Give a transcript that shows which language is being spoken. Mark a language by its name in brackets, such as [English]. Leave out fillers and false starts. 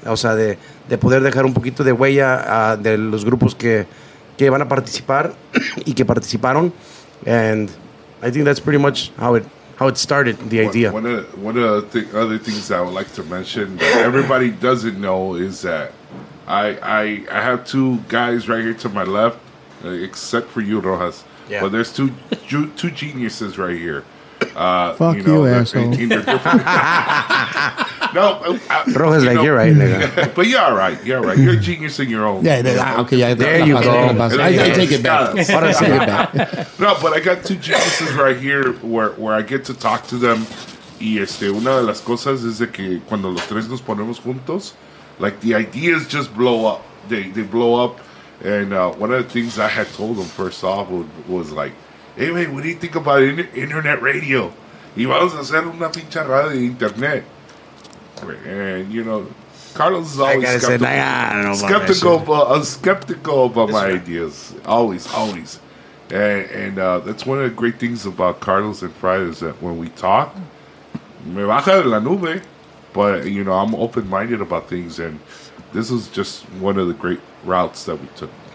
[Spanish] O sea, de poder dejar un poquito de huella de los grupos que van a participar y que participaron. [English] And I think that's pretty much how it started, the idea. One of the other things that I would like to mention that everybody doesn't know is that I have two guys right here to my left, except for you, Rojas. Yeah. But there's two geniuses right here. Fuck you, asshole. No, Rojas, like, you're right, nigga. But you're all right. You're all right. You're a genius in your own. Yeah, then, okay. Yeah, there you go. I take it back. No, but I got two geniuses right here where I get to talk to them. [Spanish] Y una de las cosas es de que cuando los tres nos ponemos juntos, [English] like, the ideas just blow up. They blow up. And one of the things I had told them first off was like, hey, man, what do you think about internet radio? [Spanish] Y vamos a hacer una pincha radio de internet. [English] And, you know, Carlos is always skeptical about my ideas. Always. And that's one of the great things about Carlos and Friday is that when we talk, [Spanish] me baja de la nube. [English] But, you know, I'm open-minded about things. And this is just one of the great routes that we took.